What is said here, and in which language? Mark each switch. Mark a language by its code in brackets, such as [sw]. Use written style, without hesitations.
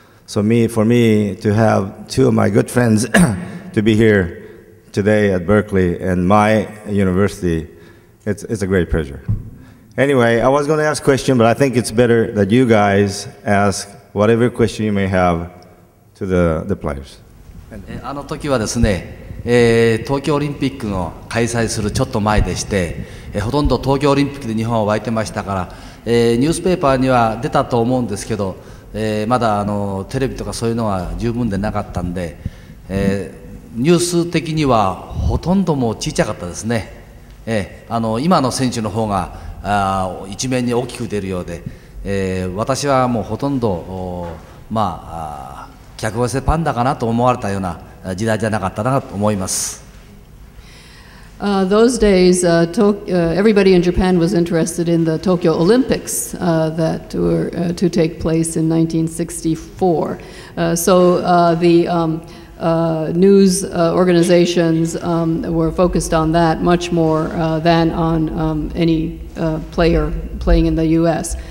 [en] So for me to have two of my good friends to be here today at Berkeley and my university, it's a great pleasure. Anyway, I was going to ask a question, but I think it's better that you guys ask whatever question you may have to the players. [ja] あの時はですね、東京オリンピックの開催するちょっと前でして、ほとんど東京オリンピックで日本は沸いてましたから、ニュースペーパーには出たと思うんですけど、まだテレビとかそういうのは十分でなかったんで、ニュース的にはほとんどもう小さかったですね、今の選手の方が一面に大きく出るようで、私はもうほとんどまあ客寄せパンダかなと思われたような時代じゃなかったなと思います。 [en] Those days, everybody in Japan was interested in the Tokyo Olympics that were to take place in 1964. So the news organizations were focused on that much more than on any player playing in the U.S.